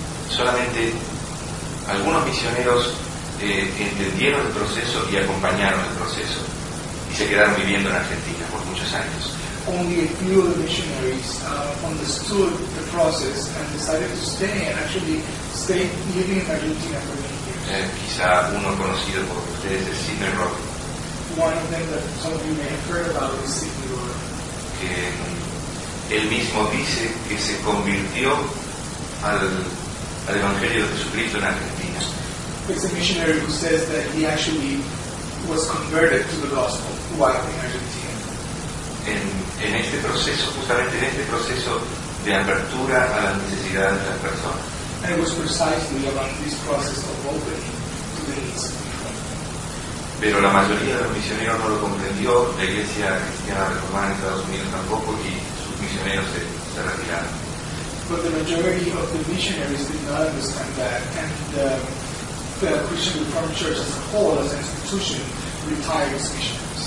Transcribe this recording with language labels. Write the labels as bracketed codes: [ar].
[es] Solamente algunos misioneros entendieron el proceso y acompañaron el proceso y se quedaron viviendo en Argentina por muchos años. [en] Only a few of the missionaries understood the process and decided to stay and actually stay living in Argentina for many years. [es] Quizá uno conocido por ustedes es Sidney Rowe. [en] One of them that some of you may have heard about is Sidney Rowe. [es] Que él mismo dice que se convirtió al Evangelio de Jesucristo en Argentina. [en] It's a missionary who says that he actually was converted to the gospel while in Argentina. [es] En este proceso, justamente en este proceso de apertura a las necesidades de las personas. [en] And it was precisely about this process of opening to the needs of people. [es] Pero la mayoría de los misioneros no lo comprendió, la iglesia cristiana reformada en Estados Unidos tampoco, y sus misioneros se retiraron. [en] But the majority of the missionaries did not understand that, and the Christian Reformed Church as a whole, as an institution, retired its missionaries.